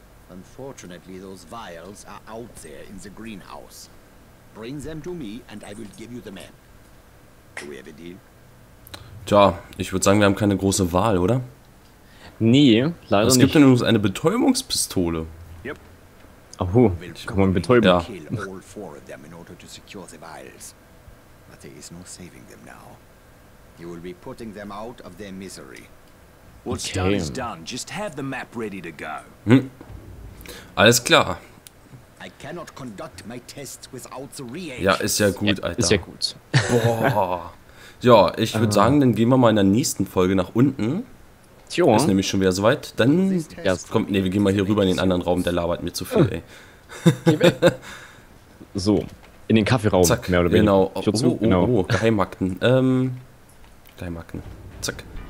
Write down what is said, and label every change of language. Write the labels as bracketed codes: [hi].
[en] Unfortunately, those vials are out there in the greenhouse. Bring them to me and I will give you the man. Do we have a deal? [de] Tja, ich würde sagen, wir haben keine große Wahl, oder? Nee, leider nicht. Es gibt nämlich eine Betäubungspistole. [en] Yep. [de] Oh, kann man betäuben. [en] Kill all four of them in order to secure the vials. But there is no saving them now. You will be putting them out of their misery. What's done is done. Just have the map ready to go. [de] Alles klar. [en] I cannot conduct my tests without the reagents. [de] Ja, ist ja gut, Alter. Ist ja gut. Boah. Ja, ich würde sagen, dann gehen wir mal in der nächsten Folge nach unten. Tjo. Ist nämlich schon wieder soweit. Dann kommt, nee, wir gehen mal hier rüber in den anderen Raum, der labert mir zu viel, ey. So, in den Kaffeeraum. Zack, mehr oder weniger. Genau. Oh, Geheimakten. Geheimakten. Zack.